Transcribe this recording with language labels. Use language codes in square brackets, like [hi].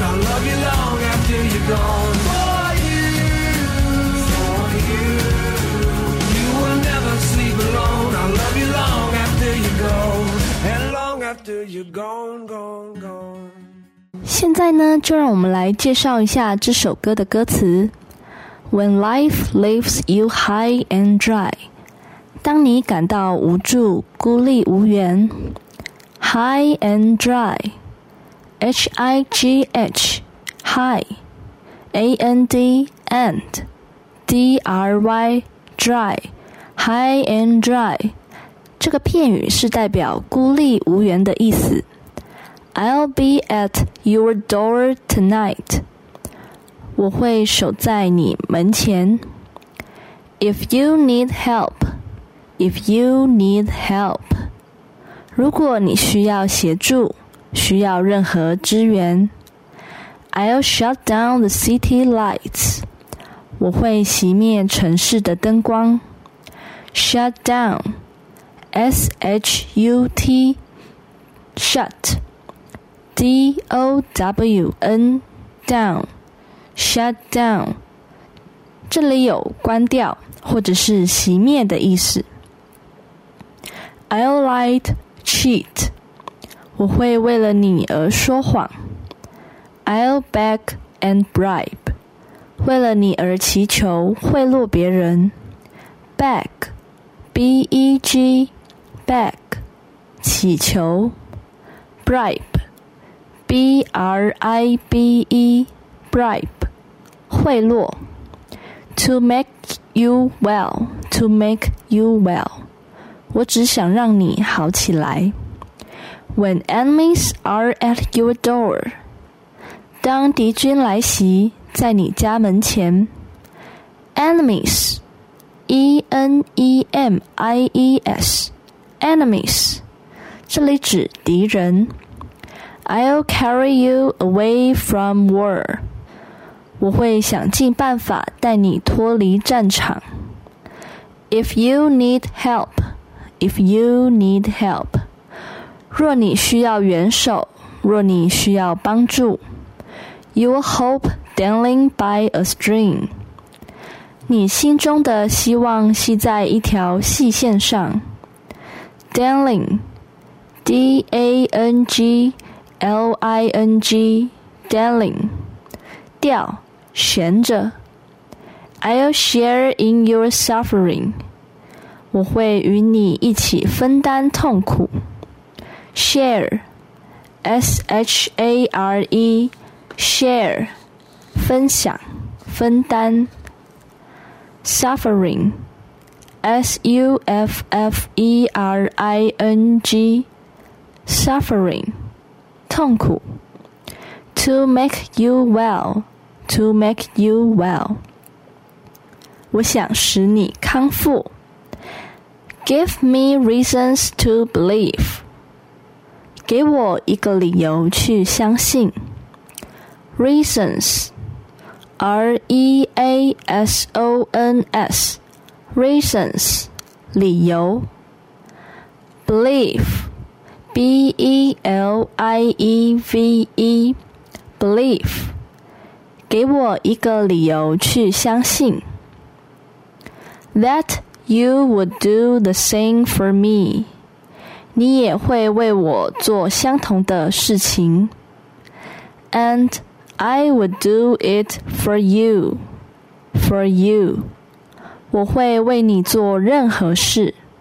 [en] I'll love you long after you're gone. For you. For you. You will never sleep alone. I'll love you long after you're gone. And long after you're gone, gone, gone. [zh] 现在呢，就让我们来介绍一下这首歌的歌词。 [en] When life leaves you high and dry. [zh] 当你感到无助、孤立无援 [en] ，high and dry，H-I-G-H， high， A-N-D and D-R-Y dry， high and dry， [zh] 这个片语是代表孤立无援的意思。 [en] I'll be at your door tonight， [zh] 我会守在你门前。 [en] If you need help。 If you need help, [zh] 如果你需要协助，需要任何支援。 [en] I'll shut down the city lights. [zh] 我会熄灭城市的灯光。 [en] Shut down, S-H-U-T, shut, D-O-W-N, down, shut down. [zh] 这里有关掉或者是熄灭的意思。 [en] I'll lie to cheat. [zh] 我会为了你而说谎。 [en] I'll beg and bribe. [zh] 为了你而祈求，贿赂别人。 [en] Beg, B-E-G, beg, 祈求。 Bribe, B-R-I-B-E, bribe, 贿赂。 To make you well, to make you well. [zh] 我只想让你好起来。 [en] When enemies are at your door, [zh] 当敌军来袭，在你家门前。 [en] Enemies, E-N-E-M-I-E-S, enemies, [zh] 这里指敌人。 [en] I'll carry you away from war, [zh] 我会想尽办法带你脱离战场。 [en] If you need help,If you need help, [zh] 若你需要援手，若你需要帮助。 [en] Your hope dangling by a string, [zh] 你心中的希望系在一条细线上。 [en] Dangling, D-A-N-G-L-I-N-G, dangling, [zh] 吊，悬着。 [en] I'll share in your suffering. [zh] 我会与你一起分担痛苦。 [en] Share, S-H-A-R-E, share, [zh] 分享、分担。 [en] Suffering, S-U-F-F-E-R-I-N-G, suffering, 痛苦。 To make you well, to make you well, [zh] 我想使你康复。 [en] Give me reasons to believe. [zh] 给我一个理由去相信。 [en] Reasons, R-E-A-S-O-N-S, reasons, 理由。 Believe, B-E-L-I-E-V-E, believe, [zh] 给我一个理由去相信。 [en] That you would do the same for me, [zh] 你也会为我做相同的事情。 [en] And I would do it for you, for you, [zh] 我会为你做任何事。